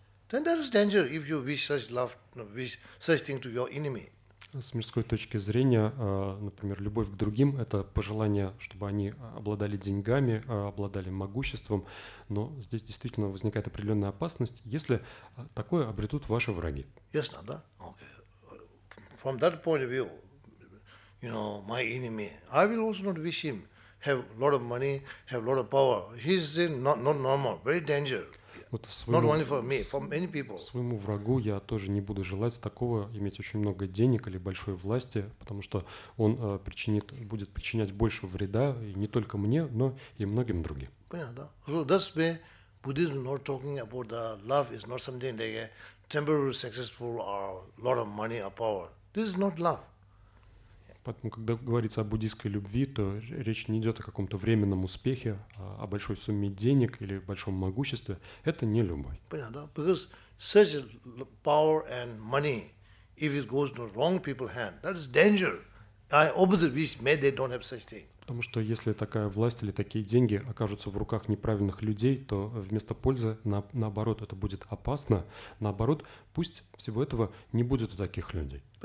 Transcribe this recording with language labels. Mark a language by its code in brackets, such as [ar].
[en] Then there is danger if you wish such love, wish such thing to your enemy. [ru] С мирской точки зрения, например, любовь к другим – это пожелание, чтобы они обладали деньгами, обладали могуществом. Но здесь действительно возникает определенная опасность, если такое обретут ваши враги. Ясно, да? Окей. [en] From that point of view, you know, my enemy, I will also not wish him have a lot of money, have a lot of power. He's not normal, very dangerous. Not only for me, for many people. [ru] Своему врагу я тоже не буду желать такого, иметь очень много денег или большой власти, потому что он будет причинять больше вреда и не только мне, но и многим другим. Понятно, да? [en] So that's why Buddhism not talking about the love is not something like temporary successful or a lot of money or power. This is not love. [ru] Поэтому, когда говорится о буддийской любви, то речь не идет о каком-то временном успехе, о большой сумме денег или большом могуществе. Это не любовь. Понятно, да? [en] Because such power and money, if it goes to wrong people hand, that is danger. I observe this, may they don't have such thing. [ru] Потому что если такая власть или такие деньги окажутся в руках неправильных людей, то вместо пользы, наоборот, это будет опасно. Наоборот, пусть всего этого не будет у таких людей.